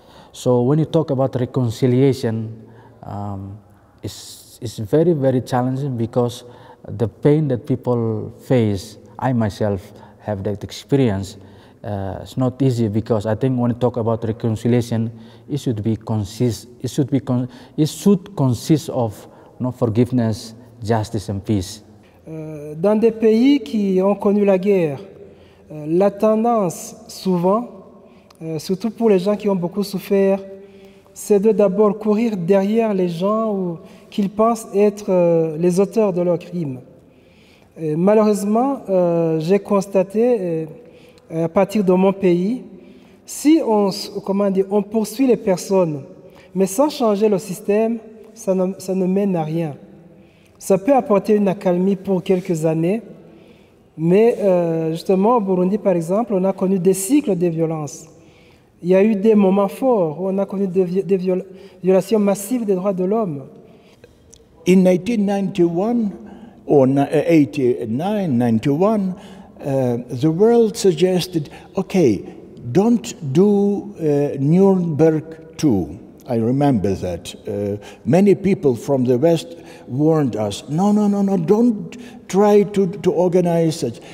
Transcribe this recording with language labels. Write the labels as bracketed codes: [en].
[en] So when you talk about reconciliation, it's very, very challenging, because the pain that people face, I myself have that experience, it's not easy, because I think when you talk about reconciliation, it should consist of, you know, forgiveness, justice and peace. [fr] Dans des pays qui ont connu la guerre, la tendance souvent, surtout pour les gens qui ont beaucoup souffert, c'est de d'abord courir derrière les gens qu'ils pensent être les auteurs de leurs crimes. Malheureusement, j'ai constaté à partir de mon pays, Si on poursuit les personnes, mais sans changer le système, ça ne mène à rien. Ça peut apporter une accalmie pour quelques années, mais justement, au Burundi, par exemple, on a connu des cycles de violence. Il y a eu des moments forts où on a connu des violations massives des droits de l'homme. [en] In 1989, the world suggested, okay, don't do Nuremberg 2. I remember that. Many people from the West warned us, no, don't try to organize such.